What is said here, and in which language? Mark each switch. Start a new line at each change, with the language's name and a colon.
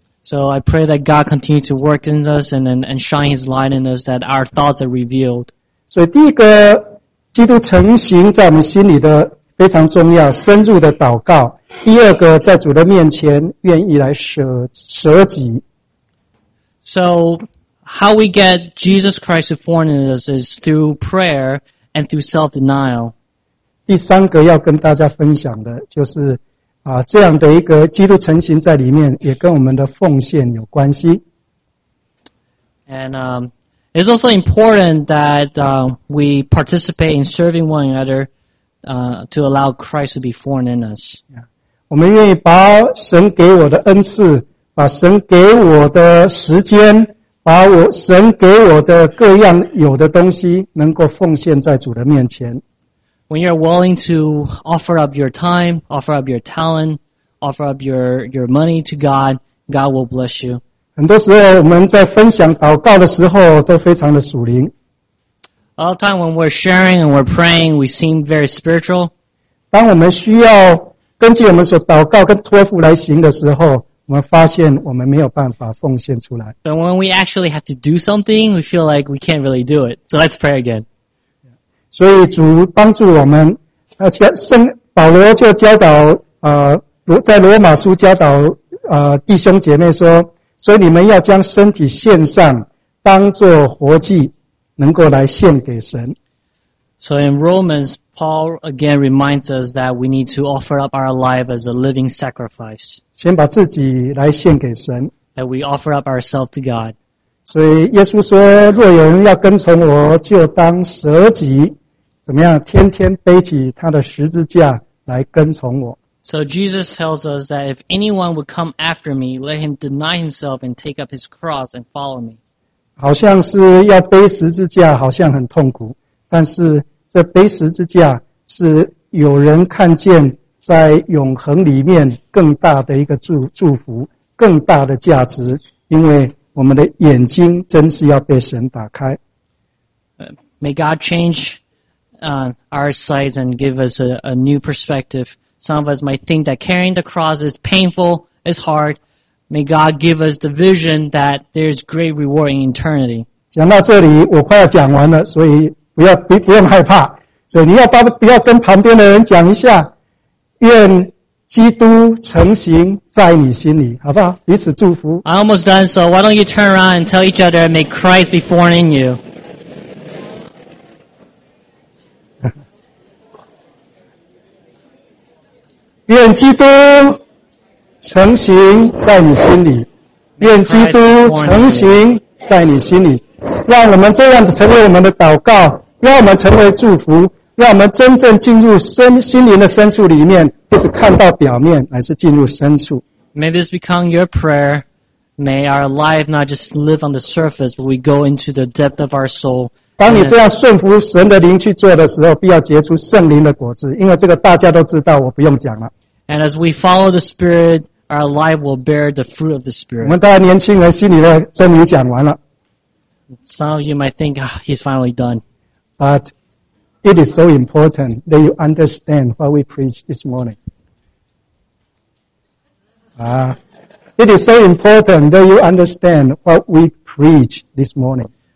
English: So I pray that God continue to work in us and shine His light in us that our thoughts are revealed.
Chinese: 所以第一个基督成形在我们心里的非常重要，深入的祷告。第二个在主的面前愿意来舍己。
English: So how we get Jesus Christ to form in us is through prayer and through self-denial.
Chinese: 第三个要跟大家分享的就是这样的一个基督成形在里面也跟我们的奉献有关系。
English: And, it's also important that, we participate in serving one another, to allow Christ to be formed in us.
Chinese: 我们愿意把神给我的恩赐，把神给我的时间，把我神给我的各样有的东西，能够奉献在主的面前。
English: When you're willing to offer up your time, offer up your talent, offer up your money to God, God will bless you.
Chinese: 很多时候我们在分享祷告的时候都非常的属灵。
English: All the time when we're sharing and we're praying, we seem very spiritual.
Chinese: 当我们需要根据我们所祷告跟托付来行的时候，我们发现我们没有办法奉献出来。
English: But when we actually have to do something, we feel like we can't really do it. So let's pray again.
Chinese: 所以主帮助我们，而且圣保罗就教导在罗马书教导弟兄姐妹说，所以你们要将身体献上，当作活祭，能够来献给神。
English: So in Romans, Paul again reminds us that we need to offer up our life as a living sacrifice.
Chinese: 先把自己来献给神。
English: That we offer up ourselves to God.
Chinese: 所以耶稣说，若有人要跟从我，就当舍己，怎么样？天天背起他的十字架来跟从我。
English: So Jesus tells us that if anyone would come after me, let him deny himself and take up his cross and follow me.
Chinese: 好像是要背十字架，好像很痛苦。但是这背十字架是有人看见在永恒里面更大的一个祝福，更大的价值，因为我们的眼睛真是要被神打开。
English: May God change our sight and give us a new perspective. Some of us might think that carrying the cross is painful, is hard. May God give us the vision that there's great reward in eternity.
Chinese: 讲到这里，我快要讲完了，所以不用害怕，所以你要跟旁边的人讲一下，愿基督成形在你心里，好不好？彼此祝福。
English: I'm almost done, so why don't you turn around and tell each other, may Christ be formed in you.
Chinese: 愿基督成形在你心里，愿基督成形在你心里，让我们这样子成为我们的祷告。让我们成为祝福，让我们真正进入心灵的深处里面，不是看到表面，乃是进入深处。
English: May this become your prayer. May our life not just live on the surface, but we go into the depth of our soul.
Chinese: 当你这样顺服神的灵去做的时候，必要结出圣灵的果子，因为这个大家都知道，我不用讲了。
English: And as we follow the Spirit, our life will bear the fruit of the Spirit.
Chinese: 我们大家年轻人心里的真理讲完了。
English: Some of you might think, ah, he's finally done. But it is so important that you understand what we preach this morning. It is so important that you understand what we preach this morning.